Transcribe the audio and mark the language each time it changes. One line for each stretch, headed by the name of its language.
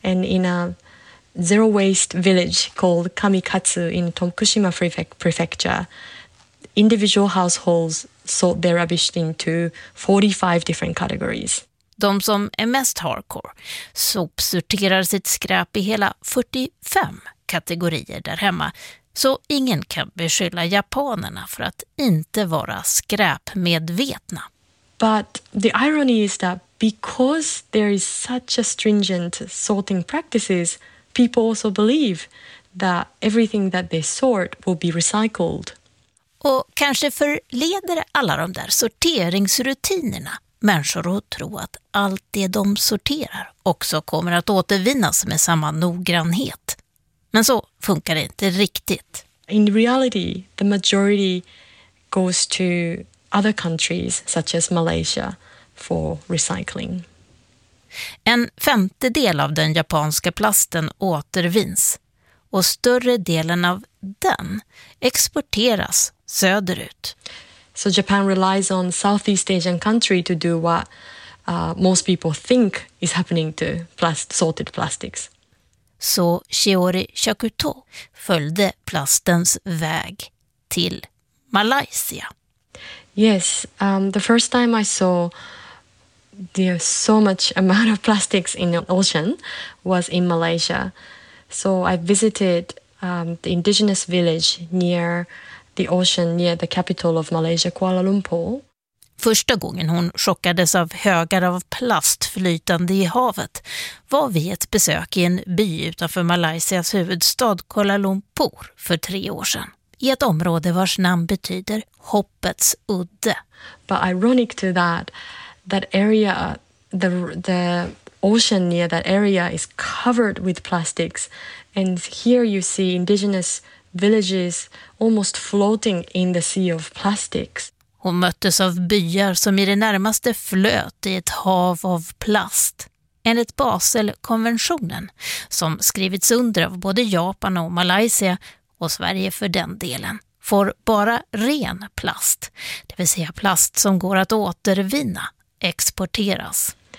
English: And in a zero-waste village called Kamikatsu in Tokushima Prefecture, individual households sort their rubbish into 45 different categories.
Swedish: De som är mest hardcore sopsorterar sitt skräp i hela 45 kategorier där hemma. Så ingen kan beskylla japanerna för att inte vara skräpmedvetna.
English: But the irony is that because there is such a stringent sorting practices, people also believe that everything that they sort will be recycled.
Swedish: Och kanske förleder alla de där sorteringsrutinerna människor att tro att allt det de sorterar också kommer att återvinnas med samma noggrannhet. Men så funkar det inte riktigt.
English: In reality, the majority goes to other countries such as Malaysia for recycling.
Swedish: En femtedel av den japanska plasten återvinns och större delen av den exporteras söderut.
English: So Japan relies on Southeast Asian country to do what most people think is happening to sorted plastics.
Swedish: Så Shiori Shakuto följde plastens väg till Malaysia.
English: Yes, the first time I saw there's so much amount of plastics in the ocean was in Malaysia. So I visited the indigenous village near the ocean, near the capital of Malaysia, Kuala Lumpur.
Swedish: Första gången hon chockades av högar av plast flytande i havet var vid ett besök i en by utanför Malaysias huvudstad Kuala Lumpur för 3 år sedan. I ett område vars namn betyder hoppets udde.
English: But ironic to that area, the ocean near that area is covered with plastics. And here you see indigenous villages almost floating in the sea of plastics.
Swedish: Hon möttes av byar som i det närmaste flöt i ett hav av plast. Enligt Baselkonventionen, som skrivits under av både Japan och Malaysia och Sverige för den delen, får bara ren plast, det vill säga plast som går att återvinna, exporteras.